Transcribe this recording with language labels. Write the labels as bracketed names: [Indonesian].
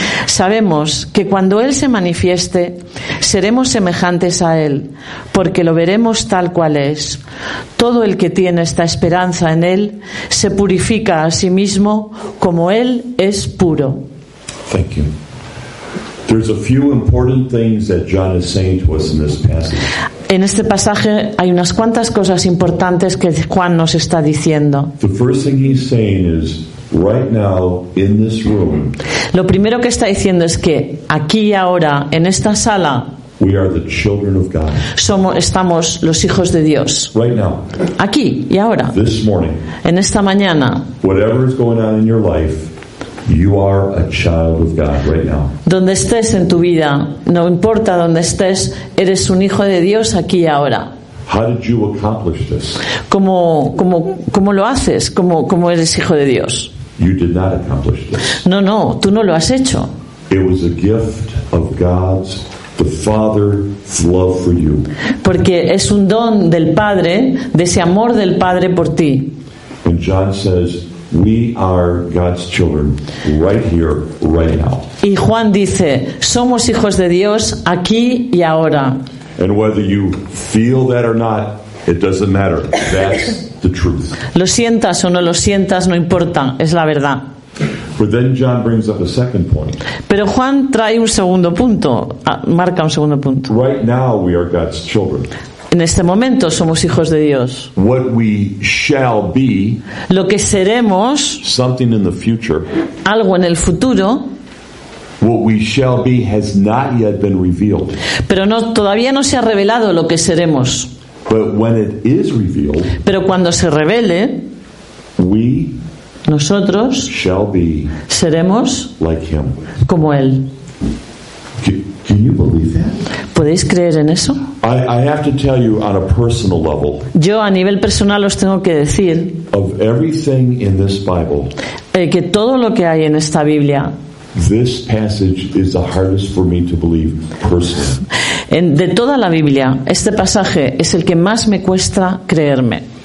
[Spanish] Sabemos que cuando Él se manifieste, seremos semejantes a Él, porque lo veremos tal cual es. Todo el que tiene esta esperanza en Él se purifica a sí mismo como Él es puro. [English] Thank you. There's a few important things that John is saying to us in this passage. [Spanish] En este pasaje hay unas cuantas cosas importantes que Juan nos está diciendo. [English] The first thing he's saying is, right now, in this room, [Spanish] lo primero que está diciendo es que aquí y ahora, en esta sala, [English] we are the children of God. [Spanish] Estamos los hijos de Dios. [English] Right now. [Spanish] Aquí y ahora. [English] This morning. [Spanish] En esta mañana. [English] Whatever is going on in your life, you are a child of God right now. [Spanish] Donde estés en tu vida, no importa donde estés, eres un hijo de Dios aquí y ahora. [English] How did you accomplish this? [Spanish] ¿Cómo lo haces? ¿Cómo eres hijo de Dios? [English] You did not accomplish this. [Spanish] No, tú no lo has hecho. [English] It was a gift of God's, the Father's love for you. [Spanish] Porque es un don del Padre, de ese amor del Padre por ti. [English] And John says, we are God's children right here, right now. [Spanish] Y Juan dice, somos hijos de Dios aquí y ahora. [English] And whether you feel that or not, it doesn't matter. That's the truth. [Spanish] Lo sientas o no lo sientas, no importa, es la verdad. [English] But then John brings up a second point. [Spanish] Pero Juan trae un segundo punto, marca un segundo punto. [English] Right now we are God's children. [Spanish] En este momento somos hijos de Dios. [English] What we shall be, [Spanish] lo que seremos, [English] something in the future, [Spanish] algo en el futuro. [English] What we shall be has not yet been revealed. [Spanish] Pero no, todavía no se ha revelado lo que seremos. [English] But when it is revealed, [Spanish] pero cuando se revele, [English] we, [Spanish] nosotros, [English] shall be, [Spanish] seremos, [English] like him, [Spanish] como él. [English] Can you believe that? [Spanish] ¿Podéis creer en eso? [English] I have to tell you on a personal level. [Spanish] Yo a nivel personal os tengo que decir, [English] of everything in this Bible, [Spanish] que todo lo que hay en esta Biblia, [English] this passage is the hardest for me to believe personally. [Spanish] De toda la Biblia, este pasaje es el que más me cuesta creerme.